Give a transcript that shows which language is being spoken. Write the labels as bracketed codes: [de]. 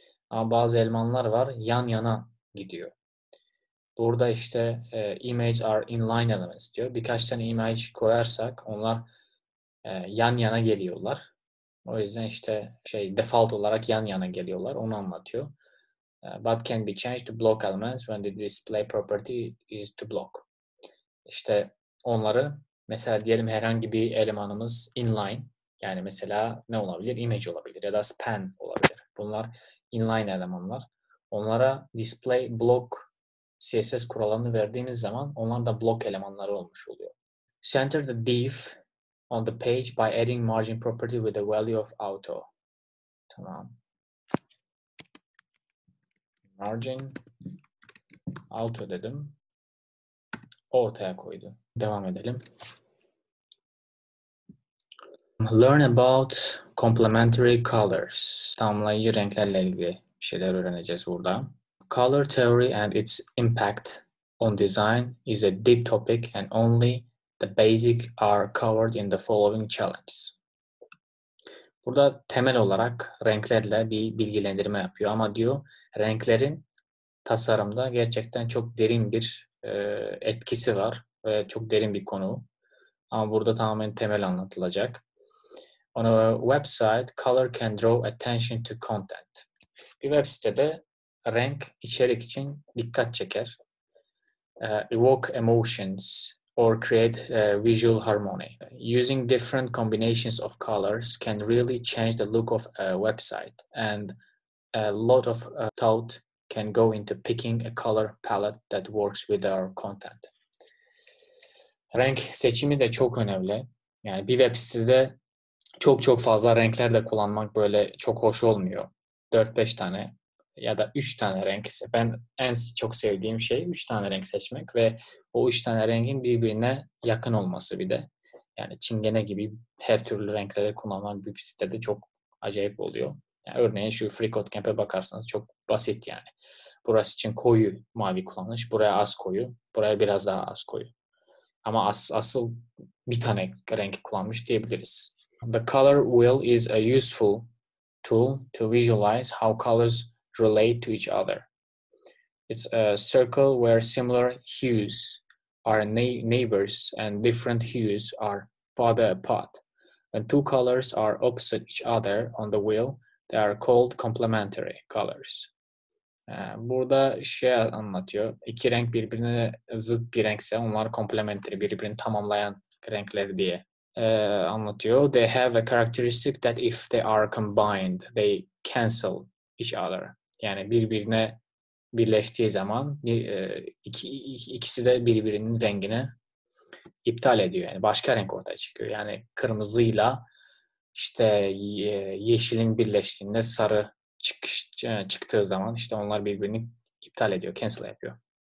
[tr] Ama bazı elemanlar var yan yana gidiyor. Burada işte [en] image are inline elements [tr] diyor. Birkaç tane image koyarsak onlar yan yana geliyorlar. O yüzden işte şey default olarak yan yana geliyorlar. Onu anlatıyor. [en] But can be changed to block elements when the display property is to block. [tr] İşte onları mesela diyelim herhangi bir elemanımız inline. Yani mesela ne olabilir? Image olabilir ya da span olabilir. Bunlar inline elemanlar. Onlara display block CSS kuralını verdiğimiz zaman onlar da block elemanları olmuş oluyor. [en] Center the div on the page by adding margin property with the value of auto. [tr] Tamam. Margin auto dedim. Ortaya koydu. Devam edelim. [en] Learn about complementary colors. [tr] Tamamlayıcı renklerle ilgili bir şeyler öğreneceğiz burada. [en] Color theory and its impact on design is a deep topic and only the basic are covered in the following challenges. [tr] Burada temel olarak renklerle bir bilgilendirme yapıyor ama diyor renklerin tasarımda gerçekten çok derin bir etkisi var ve çok derin bir konu. Ama burada tamamen temel anlatılacak. [en] On a website, color can draw attention to content. [tr] Bir web sitede renk içerik için dikkat çeker. [en] Evoke emotions or create visual harmony. Using different combinations of colors can really change the look of a website. And a lot of thought can go into picking a color palette that works with our content. [tr] Renk seçimi de çok önemli. Yani bir web sitede çok çok fazla renkler de kullanmak böyle çok hoş olmuyor. 4-5 tane. Ya da 3 tane renk ise ben en çok sevdiğim şey 3 tane renk seçmek ve o 3 tane rengin birbirine yakın olması bir de. Yani çingene gibi her türlü renkleri kullanan bir sitede çok acayip oluyor. Yani örneğin şu FreeCodeCamp'e bakarsanız çok basit yani. Burası için koyu mavi kullanmış, buraya az koyu, buraya biraz daha az koyu. Ama asıl bir tane renk kullanmış diyebiliriz. [en] The color wheel is a useful tool to visualize how colors relate to each other. It's a circle where similar hues are neighbors and different hues are farther apart. When two colors are opposite each other on the wheel, they are called complementary colors. [tr] Burada şey anlatıyor. İki renk birbirine zıt bir renkse onlar complementary, birbirini tamamlayan renkler diye anlatıyor. They have a characteristic that if they are combined, they cancel each other. Yani birbirine birleştiği zaman ikisi de birbirinin rengini iptal ediyor. Yani başka renk ortaya çıkıyor. Yani kırmızıyla işte yeşilin birleştiğinde sarı çıktığı zaman işte onlar birbirini iptal ediyor, cancel yapıyor.